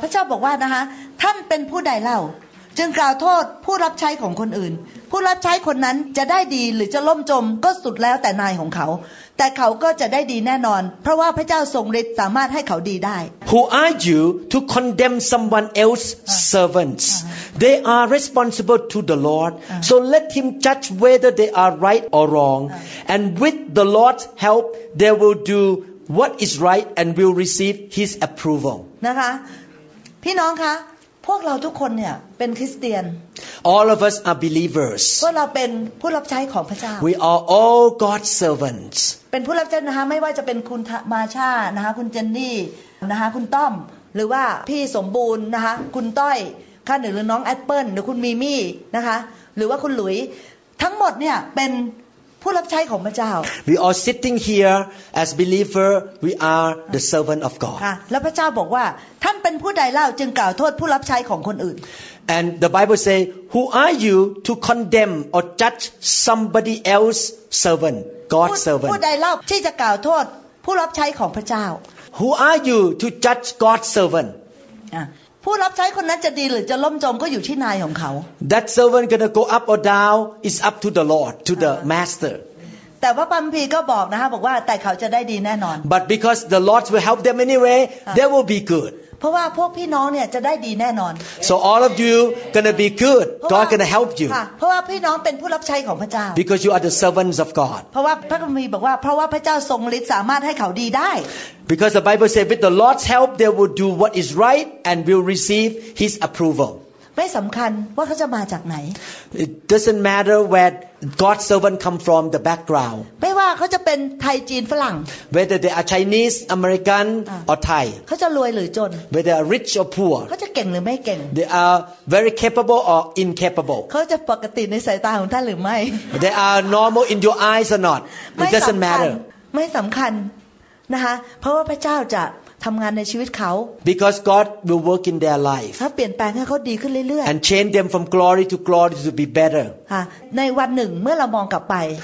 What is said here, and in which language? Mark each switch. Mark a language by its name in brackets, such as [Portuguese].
[Thai] พระเจ้าบอกว่านะคะท่านเป็นผู้ใดเล่าจึงกล่าวโทษผู้รับใช้ของคนอื่นผู้รับใช้คนนั้นจะได้ดีหรือจะล่มจมก็สุดแล้วแต่นายของเขาแต่เขาก็จะได้ดีแน่นอนเพราะว่าพระเจ้าทรงฤทธิ์สามารถให้เขาดีได้ [English] Who are you to condemn someone else's servants? They are responsible to the Lord. So let him judge whether they are right or wrong. And with the Lord's help, they will do what is right and will receive his approval. [Thai] นะคะพี่น้องคะพวกเราทุกคนเนี่ยเป็นคริสเตียน [English] All of us are believers [Thai] พวกเราเป็นผู้รับใช้ของพระเจ้า [English] We are all God's servants [Thai] เป็นผู้รับใช้นะคะไม่ว่าจะเป็นคุณมาชานะคะคุณเจนนี่นะคะคุณต้อมหรือว่าพี่สมบูรณ์นะคะคุณต้อยค่ะหรือน้องแอปเปิ้ลหรือคุณมีมี่นะคะหรือว่าคุณหลุยทั้งหมดเนี่ยเป็นผู้รับใช้ของพระเจ้า [English] We are sitting here as believer we are the servant of God [Thai] แล้วพระเจ้าบอกว่าท่านเป็นผู้ใดเล่าจึงกล่าวโทษผู้รับใช้ของคนอื่น [English] And the Bible say who are you to condemn or judge somebody else's servant God's servant [Thai] ผู้ใดเล่าที่จะกล่าวโทษผู้รับใช้ของพระเจ้า [English] Who are you to judge God's servant [Thai] ผู้รับใช้คนนั้นจะดีหรือจะล่มจมก็อยู่ที่นายของเขา [English] That servant gonna go up or down is up to the Lord to the master [Thai] แต่ว่าพระคัมภีร์ก็บอกนะคะบอกว่าแต่เขาจะได้ดีแน่นอน [English] But because the Lord will help them anyway they will be good [Thai] เพราะว่าพวกพี่น้องเนี่ยจะได้ดีแน่นอน [English] So all of you gonna be good God gonna help you [Thai] เพราะว่าพี่น้องเป็นผู้รับใช้ของพระเจ้า [English] Because you are the servants of God [Thai] เพราะว่าพระคัมภีร์บอกว่าเพราะว่าพระเจ้าทรงฤทธิ์สามารถให้เขาดีได้ [English] Because the Bible says, with the Lord's help, they will do what is right and will receive His approval. [Thai] ไม่สำคัญว่าเขาจะมาจากไหน [English] It doesn't matter where God's servant come from, the background. [Thai] ไม่ว่าเขาจะเป็นไทยจีนฝรั่ง [English] Whether they are Chinese, American, or Thai. [Thai] เขาจะรวยหรือจน [English] Whether they are rich or poor. [Thai] เขาจะเก่งหรือไม่เก่ง [English] They are very capable or incapable. [Thai] เขาจะปกติในสายตาของท่านหรือไม่ [English] They are normal in your eyes or not. It doesn't matter. [Thai] ไม่สำคัญนะคะเพราะว่าพระเจ้าจะทำงานในชีวิตเขา [English] because God will work in their life [Thai] ถ้าเปลี่ยนแปลงให้เขาดีขึ้นเรื่อยๆ [English] and change them from glory to glory to be better [Thai] ค่ะในวันหนึ่งเมื่อเรามองกลับไป